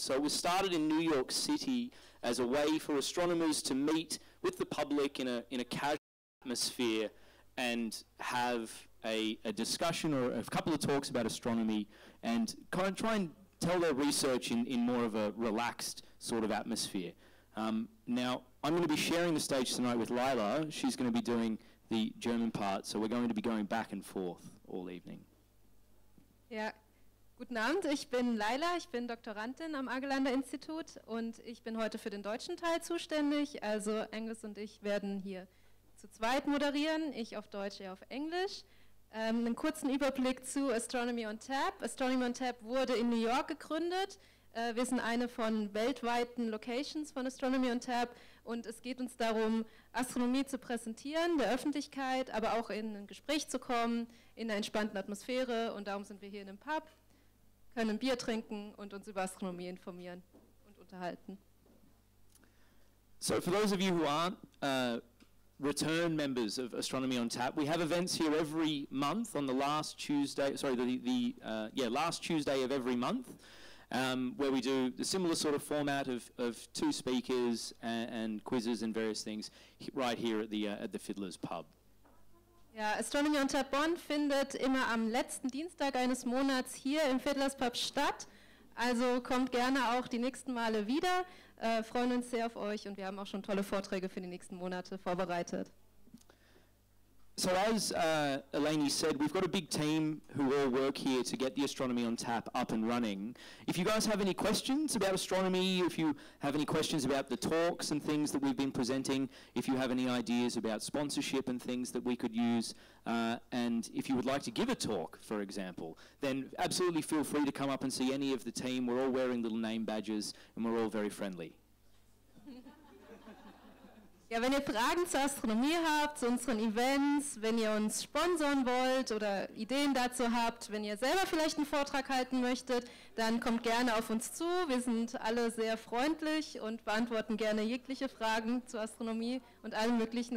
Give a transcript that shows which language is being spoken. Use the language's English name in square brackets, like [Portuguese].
[English] So it was started in New York City as a way for astronomers to meet with the public in a casual atmosphere and have a discussion or a couple of talks about astronomy and kind of try and tell their research in more of a relaxed sort of atmosphere. Now, I'm going to be sharing the stage tonight with Lila. She's going to be doing the German part, so we're going to be going back and forth all evening. Yeah. [German] Guten Abend, ich bin Lila, ich bin Doktorandin am Argelander Institut und ich bin heute für den deutschen Teil zuständig. Also Angus und ich werden hier zu zweit moderieren, ich auf Deutsch, er auf Englisch. Einen kurzen Überblick zu Astronomy on Tap. Astronomy on Tap wurde in New York gegründet. Wir sind eine von weltweiten Locations von Astronomy on Tap und es geht uns darum, Astronomie zu präsentieren, der Öffentlichkeit, aber auch in ein Gespräch zu kommen, in einer entspannten Atmosphäre, und darum sind wir hier in einem Pub, können ein Bier trinken und uns über Astronomie informieren und unterhalten. [English] So for those of you who aren't return members of Astronomy on Tap, we have events here every month on the last Tuesday, last Tuesday of every month, where we do the similar sort of format of two speakers and quizzes and various things right here at the Fiddler's Pub. [German] Yeah, Astronomy on Tap Bonn findet immer am letzten Dienstag eines Monats hier im Fiddler's Pub statt. Also kommt gerne auch die nächsten Male wieder. Freuen uns sehr auf euch und wir haben auch schon tolle Vorträge für die nächsten Monate vorbereitet. [English] So as Eleni said, we've got a big team who all work here to get the Astronomy on Tap up and running. If you guys have any questions about astronomy, if you have any questions about the talks and things that we've been presenting, if you have any ideas about sponsorship and things that we could use, and if you would like to give a talk, for example, then absolutely feel free to come up and see any of the team. We're all wearing little name badges and we're all very friendly. [German] Ja, wenn ihr Fragen zur Astronomie habt, zu unseren Events, wenn ihr uns sponsern wollt oder Ideen dazu habt, wenn ihr selber vielleicht einen Vortrag halten möchtet, dann kommt gerne auf uns zu. Wir sind alle sehr freundlich und beantworten gerne jegliche Fragen zur Astronomie und allen möglichen.